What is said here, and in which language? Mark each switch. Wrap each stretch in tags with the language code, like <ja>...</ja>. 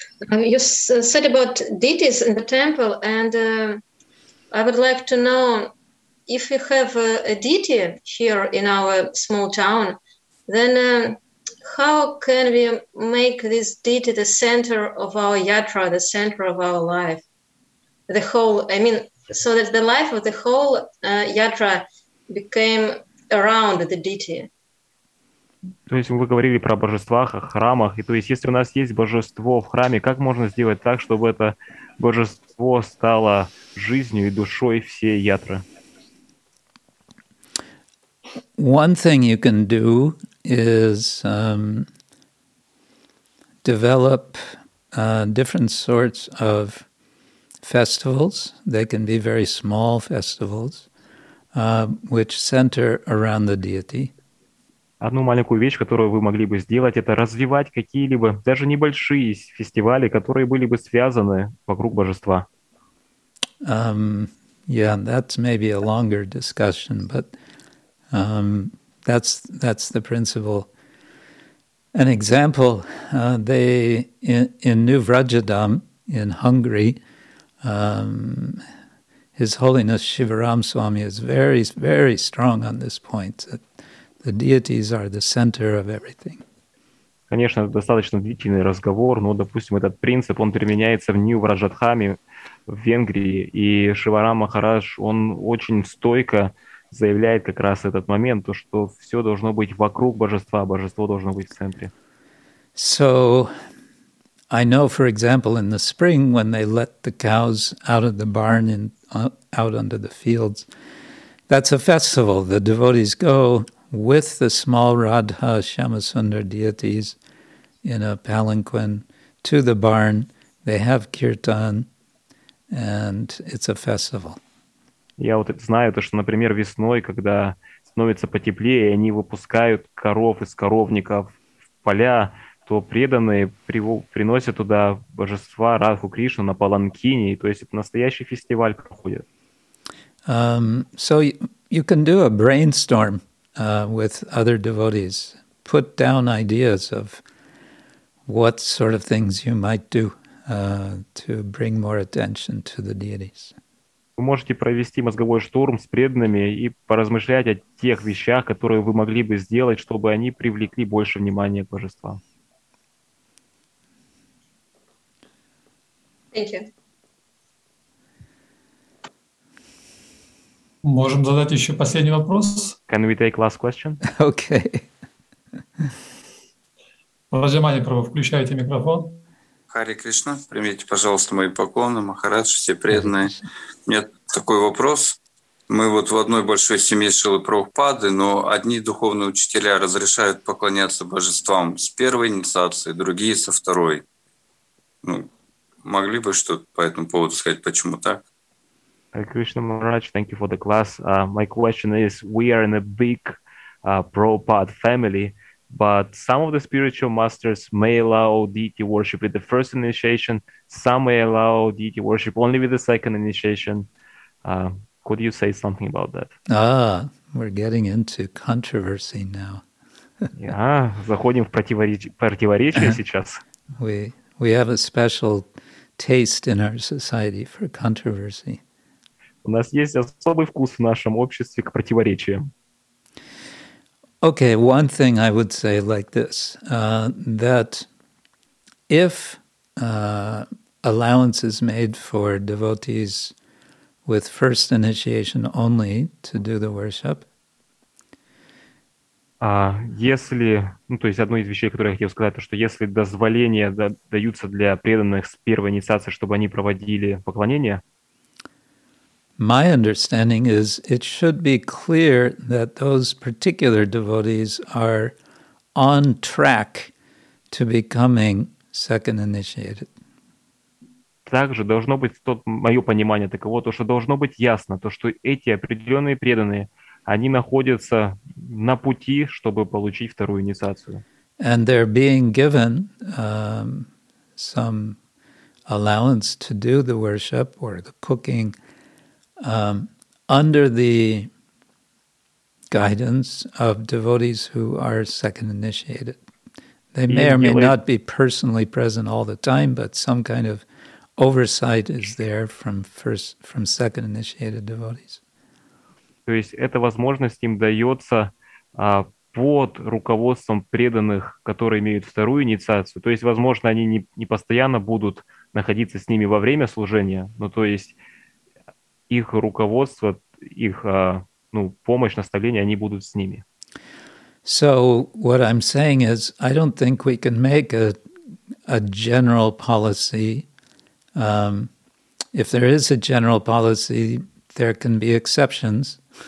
<en>You said about deities in the temple, and I would like to know if we have a deity here in our small town, then how can we make this deity the center of our yatra, the center of our life, the whole, I mean, so that the life of the whole yatra became around the deity?</en> <ru>То есть вы говорили про божества, о храмах, и то есть если у нас есть божество в храме, как можно сделать так, чтобы это божество стало жизнью и душой всей ятры?</ru> <en>One thing you can do is develop different sorts of festivals. They can be very small festivals, which center around the deity.</en> <ru>Одну маленькую вещь, которую вы могли бы сделать, это развивать какие-либо даже небольшие фестивали, которые были бы связаны вокруг божества.</ru> <en>Yeah, that's maybe a longer discussion, but that's the principle. An example, in New Vrajadam in Hungary, His Holiness Shivaram Swami is very, very strong on this point, that the deities are the center of everything.</en> <ru>Конечно, это достаточно длительный разговор, но, допустим, этот принцип, он применяется в New Vrajadhami в Венгрии, и Шиварам Махарадж, он очень стойко заявляет как раз этот момент, то, что все должно быть вокруг божества, божество должно быть в центре.</ru> <en>So, I know, for example, in the spring, when they let the cows out of the barn and out onto the fields, that's a festival. The devotees go with the small Radha Shyamasundar deities in a palanquin to the barn. They have kirtan, and it's a festival.</en> <ru>Я вот знаю то, что, например, весной, когда становится потеплее, они выпускают коров из коровников в поля, то преданные приносят туда божества Радху Кришну на паланкине, то есть это настоящий фестиваль проходит.</ru> <en>So you can do a brainstorm with other devotees. Put down ideas of what sort of things you might do to bring more attention to the deities.</en> <ru>Вы можете провести мозговой штурм с преданными и поразмышлять о тех вещах, которые вы могли бы сделать, чтобы они привлекли больше внимания к божествам.</ru> <en>Thank you.</en> <ru>Можем задать еще последний вопрос?</ru> <en>Can we take last question? Okay.</en> <ru>Раджамани Прабху, включайте микрофон. Хари Кришна, примите, пожалуйста, мои поклоны, Махарадж, все преданные. У меня такой вопрос. Мы вот в одной большой семье Шилы Прабхупады, но одни духовные учителя разрешают поклоняться божествам с первой инициации, другие со второй. Ну, могли бы что-то по этому поводу сказать, почему так?</ru> <en>Hare Krishna Maharaj, thank you for the class. My question is, we are in a big Prabhupada family, but some of the spiritual masters may allow deity worship with the first initiation, some may allow deity worship only with the second initiation. Could you say something about that? Ah, we're getting into controversy now.</en> <ru>Yeah, заходим в противоречие сейчас.</ru> <en>We have a special taste in our society for controversy.</en> <ru>У нас есть особый вкус в нашем обществе к противоречиям.</ru> <en>Okay, one thing I would say like this, that if allowance is made for devotees with first initiation only to do the worship.</en> <ru>Если, ну, то есть одно из вещей, которое я хотел сказать, то что если дозволения даются для преданных с первой инициации, чтобы они проводили поклонение,</ru> <en>My understanding is it should be clear that those particular devotees are on track to becoming second initiated.</en> <ru>Также должно быть тот моё понимание таково, то что должно быть ясно, то что эти определённые преданные, они находятся на пути, чтобы получить вторую инициацию.</ru> <en>And they're being given some allowance to do the worship or the cooking. Under the guidance of devotees who are second initiated. They may or may not be personally present all the time, but some kind of oversight is there from second initiated devotees.</en> <ru>То есть эта возможность им дается под руководством преданных, которые имеют вторую инициацию. То есть, возможно, они не постоянно будут находиться с ними во время служения, но то есть их руководство, их помощь, наставление, они будут с ними.</ru> <en>So what I'm saying is, I don't think we can make a general policy. If there is a general policy, there can be exceptions.</en>